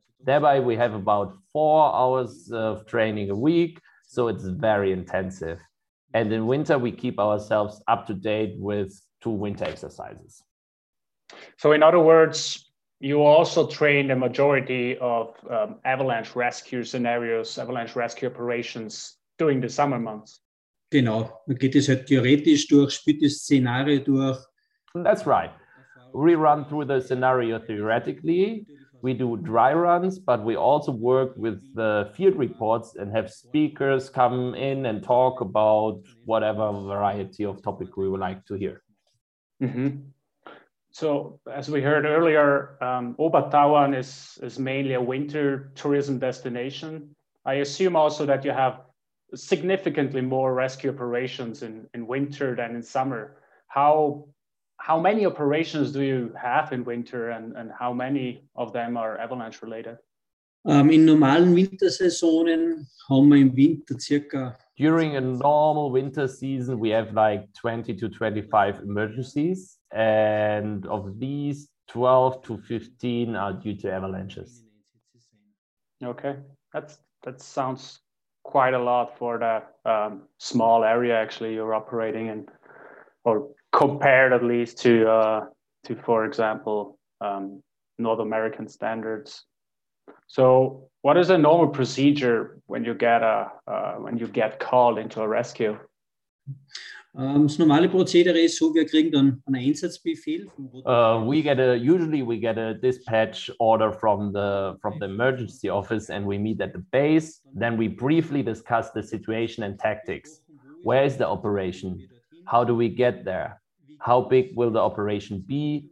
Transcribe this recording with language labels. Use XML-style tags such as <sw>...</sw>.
<en>Thereby, we have about 4 hours of training a week, so it's very intensive. And in winter, we keep ourselves up to date with 2 winter exercises. So in other words, you also train the majority of avalanche rescue scenarios, avalanche rescue operations during the summer months.</en> <de>Genau, man geht es halt theoretisch durch, spielt das Szenario durch.</de> <en>That's right. We run through the scenario theoretically. We do dry runs, but we also work with the field reports and have speakers come in and talk about whatever variety of topic we would like to hear. Mm-hmm. So as we heard earlier, Obertauern is mainly a winter tourism destination. I assume also that you have significantly more rescue operations in winter than in summer. How many operations do you have in winter, and how many of them are avalanche related?</en> <de>In normalen Wintersaisonen haben wir im Winter circa.</de> <en>During a normal winter season, we have like 20 to 25 emergencies, and of these, 12 to 15 are due to avalanches. Okay, that sounds quite a lot for the small area actually you're operating in, or compared at least to for example, North American standards. So what is a normal procedure when you get called into a rescue?</en> <de>Das normale Prozedere ist so, wir kriegen dann einen Einsatzbefehl.</de> <en>We get a dispatch order from the emergency office and we meet at the base. Then we briefly discuss the situation and tactics. Where is the operation? How do we get there? How big will the operation be?</en>